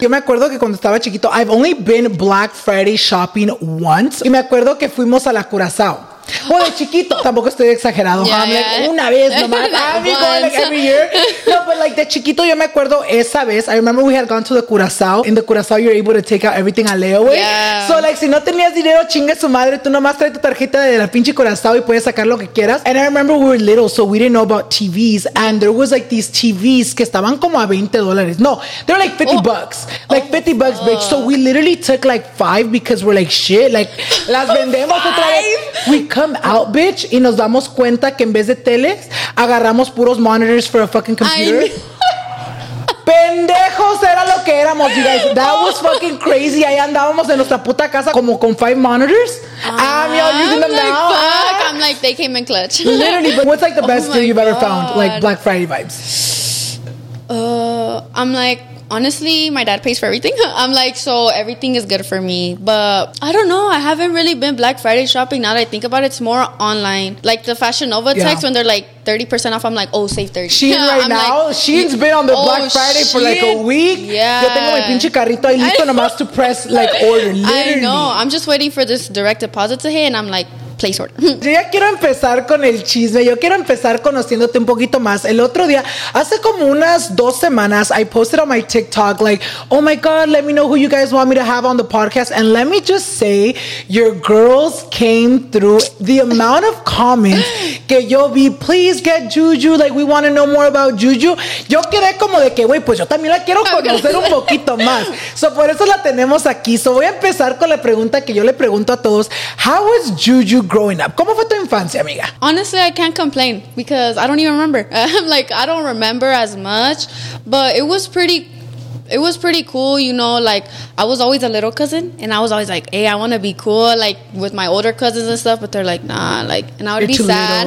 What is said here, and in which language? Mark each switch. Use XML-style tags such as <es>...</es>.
<es>Yo me acuerdo que cuando estaba chiquito,</es> <en>I've only been Black Friday shopping once.</en> <es>Y me acuerdo que fuimos a la Curazao. Bueno, chiquito, tampoco estoy exagerado.</es> <en>Yeah, I'm yeah.</en> <es>Like, una vez nomás.</es> <en>Like, I'm going like every year. No, but like</en> <es>de chiquito, yo me acuerdo esa vez.</es> <en>I remember we had gone to the Curazao. In the Curazao, you're able to take out everything a layaway. Yeah.</en> <es>So, like, si no tenías dinero, chingue su madre. Tú nomás trae tu tarjeta de la pinche Curazao y puedes sacar lo que quieras.</es> <en>And I remember we were little, so we didn't know about TVs. And there was like these TVs</en> <es>que estaban como a $20.</es> <en>No, they were like 50 oh. bucks. Like, oh, 50 bucks, bitch. So we literally took like 5 because we're like, shit, like,</en> <es>las vendemos otra vez.</es> <en>We cut out, bitch,</en> <es>y nos damos cuenta que en vez de teles agarramos puros monitors</es> <en>for a fucking computer.</en> <es>Pendejos era lo que éramos,</es> <en>you guys. That was fucking crazy.</en> <es>Ahí andábamos en nuestra puta casa como con 5 monitors.</es> <en>I'm like, they came in clutch. Literally, but what's like the best deal you've ever found? Like Black Friday vibes. I'm like, honestly, my dad pays for everything. I'm like, so everything is good for me. But I don't know. I haven't really been Black Friday shopping. Now that I think about it, it's more online. Like the Fashion Nova text, yeah. When they're like 30% off, I'm like, oh, save 30. She right I'm now, like, she's been on the oh, Black Friday shit. For like a week. Yeah.</en> <es>Yo tengo mi pinche carrito ahí listo nomás</es> <en>to press like order. Literally. I know. I'm just waiting for this direct deposit to hit. And I'm like, place order.</en> <es>Yo ya quiero empezar con el chisme. Yo quiero empezar conociéndote un poquito más. El otro día, hace como unas dos semanas,</es> <en>I posted on my TikTok, like, oh my God, let me know who you guys want me to have on the podcast. And let me just say, your girls came through. The amount of comments</en> <es>que yo vi,</es> <en>please get Juju, like, we want to know more about Juju.</en> <es>Yo quedé como de que, güey, pues yo también la quiero conocer un poquito más. So, por eso la tenemos aquí. So, voy a empezar con la pregunta que yo le pregunto a todos.</es> <en>How was Juju growing up?</en> <es>¿Cómo fue tu infancia, amiga?</es> <en>Honestly, I can't complain because I don't even remember. Like, I don't remember as much, but it was pretty cool, you know, like, I was always a little cousin, and I was always like, hey, I want to be cool, like, with my older cousins and stuff, but they're like, nah, like, and I would be sad.</en>